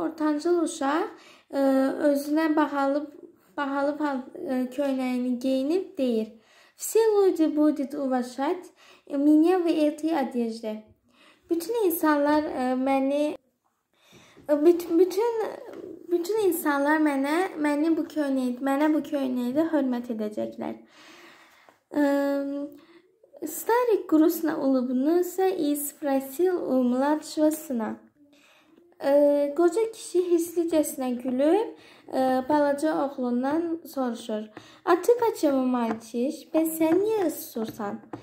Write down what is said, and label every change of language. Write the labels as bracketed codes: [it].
[az] Ortancıl uşaq özünə bahalı köynəyini geyinib deyir. [ru] Все люди будут уважать меня в этой одежде. [az] Bütün insanlar mənə bu köynəyi de hörmət edəcəklər. [ru] Старик грустно улыбнулся и спросил у младшего сына. [az] Qoca kişi hisslicəsinə gülüb balaca oğlundan soruşur. [ru] A ты почему молчишь? [az] Ben sen niye susursan?